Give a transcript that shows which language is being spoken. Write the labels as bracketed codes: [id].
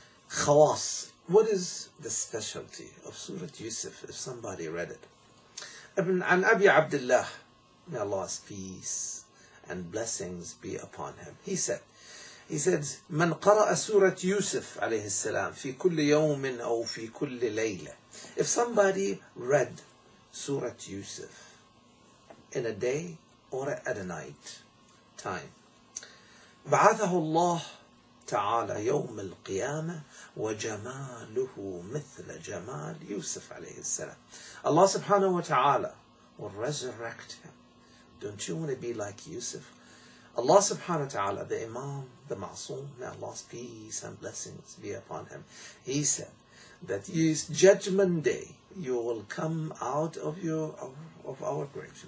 [en] Khawas, what is the specialty of Surat Yusuf, if somebody read it? Ibn Abi Abdullah, may Allah's peace and blessings be upon him, He said, [ar] من قرأ سورة يوسف عليه السلام في كل يوم أو في كل ليلة. [en] If somebody read سورة يوسف in a day or at a night time, [ar] بعثه الله تعالى يوم القيامة وجماله مثل جمال يوسف عليه السلام. [en] Allah [ar] سبحانه وتعالى [en] will resurrect him. Don't you want to be like Yusuf? Allah subhanahu wa ta'ala, the Imam, the Ma'soom, may Allah's peace and blessings be upon him. He said that his judgment day, you will come out of our graves.